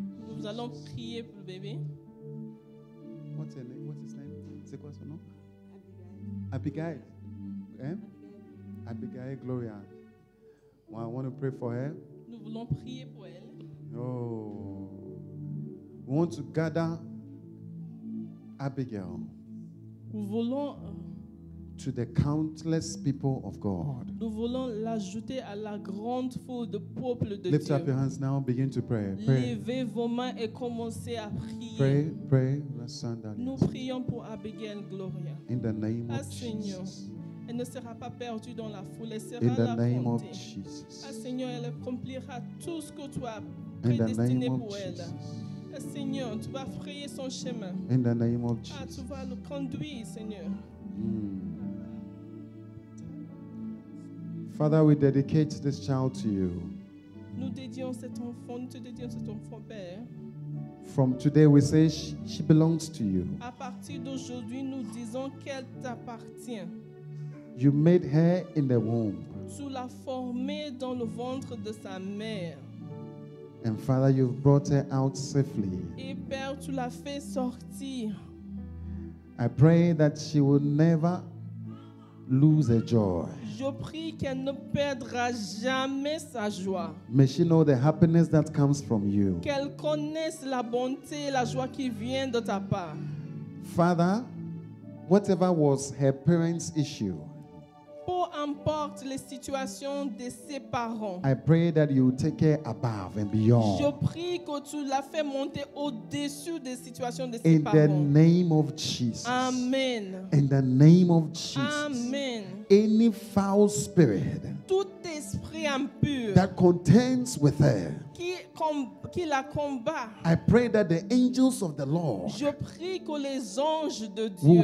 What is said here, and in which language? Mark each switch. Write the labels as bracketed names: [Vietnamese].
[French] Nous allons prier pour le bébé. [English] What's her name? What's his name? [French] C'est quoi son nom? Abigail. Abigail. Hein? Abigail Gloria. [English] Well, I want to pray for her. [French] Nous voulons prier pour elle. Oh. [English] We want to gather Abigail. [French] Nous voulons [English] to the countless people of God. [French] Nous voulons l'ajouter à la grande foule de peuple de [English] lift [French] Dieu. [English] Up your hands now, begin to pray. [French] Levez vos mains et commencez à prier. [English] Pray, pray, Lassandra. [French] Nous prions pour Abigail Gloria. [English] In the name ah, of [French] Seigneur, [English] Jesus. [French] Elle ne sera pas perdue dans la foule, elle sera [English] in the [French] la [English] name [French] comptée. [English] Of Jesus. [French] Ah, Seigneur, elle accomplira tout ce que tu as prédestiné pour elle. Ah, Seigneur, tu vas frayer son chemin. [English] In the name of Jesus. [French] Ah, tu vas le conduire, Seigneur. [English] Father, we dedicate this child to you. [French] Nous dédions cet enfant, nous te dédions cet enfant, Père. [English] From today, we say she belongs to you. [French] À partir d'aujourd'hui, nous disons qu'elle t'appartient. [English] You made her in the womb. [French] Tu l'as formée dans le ventre de sa mère. [English] And Father, you've brought her out safely. [French] Et Père, tu l'as fait sortir. [English] I pray that she will never lose her joy. [French] Je prie qu'elle ne perdra jamais sa joie. [English] May she know the happiness that comes from you. [French] Qu'elle connaisse la bonté et la joie qui vient de ta part. [English] Father, whatever was her parents' issue. [French] Peu importe les situations de ses parents. [English] I pray that you take care above and beyond. [French] Je prie que tu la fais monter au-dessus des situations de ses [English] in [French] parents. [English] In the name of Jesus. Amen. In the name of Jesus. Amen. Any foul spirit. [French] Tout esprit impur. [English] That contends with her. [French] Qui la combat. [English] I pray that the angels of the Lord. [French] Je prie que les anges de Dieu.